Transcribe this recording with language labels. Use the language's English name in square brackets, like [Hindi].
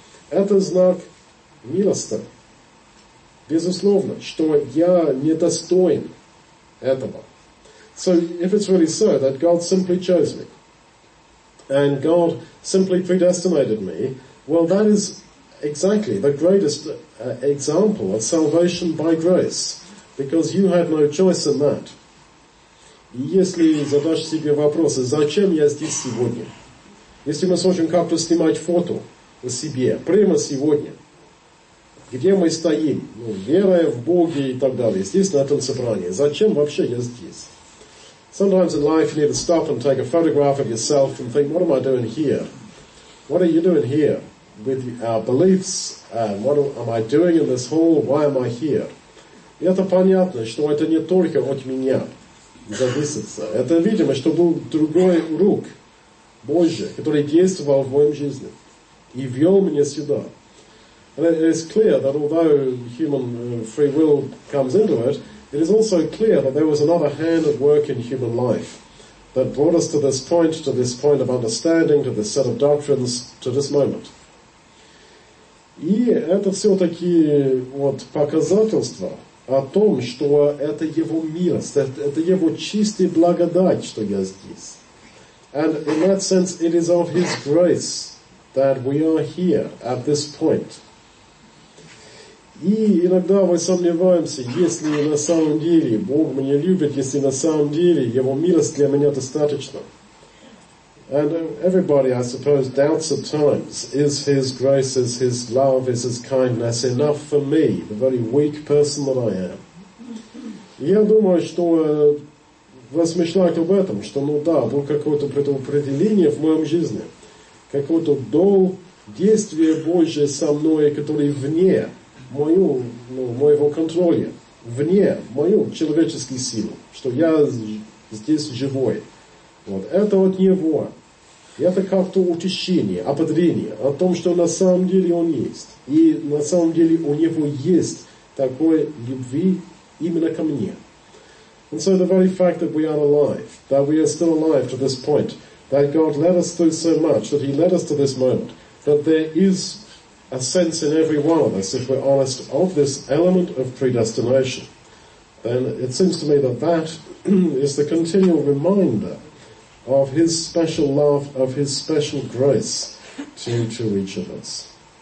[Russian] Это знак милости. Безусловно, что я недостоин этого. [English] So, if it's really so, that God simply chose me, and God simply predestinated me, well, that is exactly the greatest example of salvation by grace, because you had no choice in that. [Russian] Если задашь себе вопрос, зачем я здесь сегодня? Если мы сможем как-то снимать фото о себе прямо сегодня, где мы стоим, ну, верой в Бога и так далее, здесь, на этом собрании, зачем вообще я здесь? [English] Sometimes in life you need to stop and take a photograph of yourself and think, what am I doing here? What are you doing here? With our beliefs, what am I doing in this hall? Why am I here? [Russian] И это понятно, что это не только от меня зависит. Это видимо, что был другой рук Божий, который действовал в моем жизни и вел меня сюда. [English] And it is clear that although human free will comes into it, it is also clear that there was another hand at work in human life that brought us to this point of understanding, to this set of doctrines, to this moment. [Russian] И это все-таки вот показательство о том, что это Его милость, это Его чистая благодать, что я здесь. [English] And in that sense, it is of His grace that we are here at this point. [Russian] И иногда мы сомневаемся, если на самом деле Бог меня любит, если на самом деле Его милость для меня достаточна. [English] And everybody, I suppose, doubts at times, is His grace, is His love, is His kindness enough for me, the very weak person that I am? [Russian] Я думаю, что размышлять об этом, что, ну да, было какое-то предопределение в моем жизни, какое-то долг действия Божие со мной, который вне мою, ну, моего контроля, вне мою человеческой силы, что я здесь живой. Вот. Это от Него. И это как-то утешение, ободрение о том, что на самом деле Он есть. И на самом деле у Него есть такой любви именно ко мне. [English] And so the very fact that we are alive, that we are still alive to this point, that God led us through so much, that He led us to this moment, that there is a sense in every one of us, if we're honest, of this element of predestination, then it seems to me that that is the continual reminder of His special love, of His special grace to each of us.